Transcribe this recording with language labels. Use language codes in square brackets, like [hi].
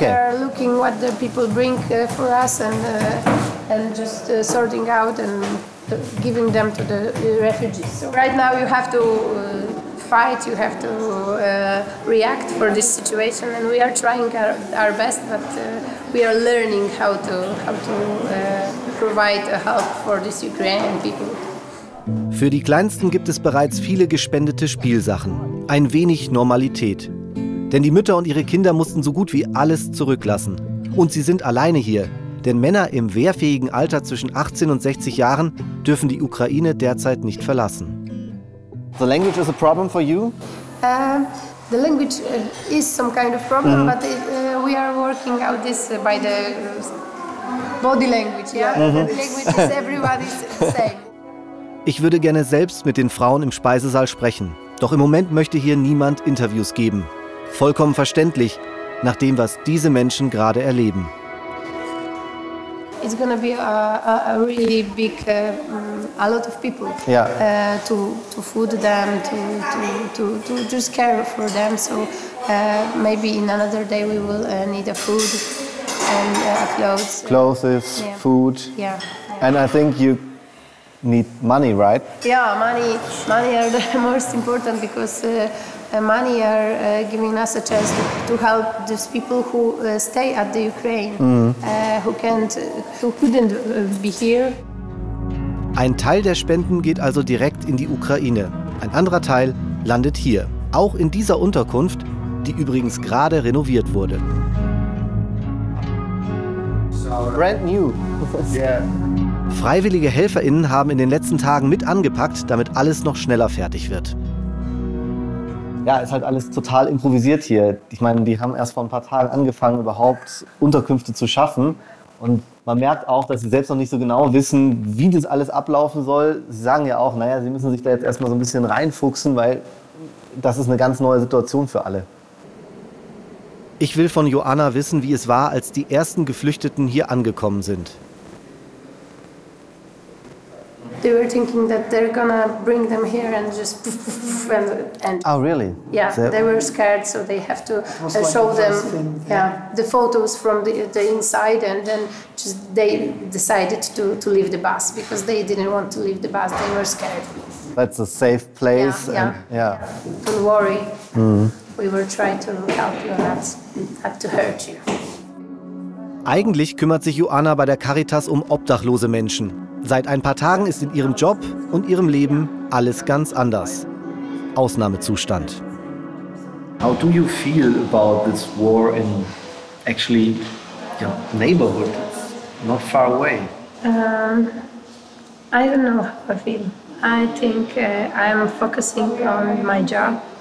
[en] So they are looking what the people bring for us and just sorting out and giving them to the refugees. So right now you have to fight, you have to react for this situation, and we are trying our best, but we are learning how to provide a help for this Ukrainian people. [de] Für die Kleinsten gibt es bereits viele gespendete Spielsachen. Ein wenig Normalität. Denn die Mütter und ihre Kinder mussten so gut wie alles zurücklassen. Und sie sind alleine hier. Denn Männer im wehrfähigen Alter zwischen 18 und 60 Jahren dürfen die Ukraine derzeit nicht verlassen. [en] The language is a problem for you? The language is some kind of problem, mm-hmm. but we are working out this by the body language. Yeah? Mm-hmm. The language is everybody's the same. [de] Ich würde gerne selbst mit den Frauen im Speisesaal sprechen. Doch im Moment möchte hier niemand Interviews geben. Vollkommen verständlich, nach dem, was diese Menschen gerade erleben. [en] It's gonna be a really big, a lot of people. Yeah. To food them, to just care for them. So maybe in another day we will need a food and clothes. Clothes, yeah. Food. Yeah. And I think you need money, right? Yeah, money are the most important, because money are giving us a chance to help these people who stay at the Ukraine, mm-hmm. who couldn't be here. [de] Ein Teil der Spenden geht also direkt in die Ukraine. Ein anderer Teil landet hier, auch in dieser Unterkunft, die übrigens gerade renoviert wurde. [en] Brand new. Yeah. [de] Freiwillige HelferInnen haben in den letzten Tagen mit angepackt, damit alles noch schneller fertig wird. Ja, ist halt alles total improvisiert hier. Ich meine, die haben erst vor ein paar Tagen angefangen, überhaupt Unterkünfte zu schaffen. Und man merkt auch, dass sie selbst noch nicht so genau wissen, wie das alles ablaufen soll. Sie sagen ja auch, naja, sie müssen sich da jetzt erstmal so ein bisschen reinfuchsen, weil das ist eine ganz neue Situation für alle. Ich will von Joanna wissen, wie es war, als die ersten Geflüchteten hier angekommen sind. [en] they were thinking that they're gonna bring them here and just poof, poof, poof, and end. Oh, really? Yeah, so they were scared, so they have to show them the photos from the inside, and then just they decided to leave the bus because they didn't want to leave the bus. They were scared. That's a safe place. Yeah, and, Don't worry. Mm. We were trying to help you, not to hurt you. [de] Eigentlich kümmert sich Joanna bei der Caritas um obdachlose Menschen. Seit ein paar Tagen ist in ihrem Job und ihrem Leben alles ganz anders. Ausnahmezustand. [en] How do you feel about this war in actually your neighborhood, not far away? I don't know how I feel. I think I'm focusing on my job.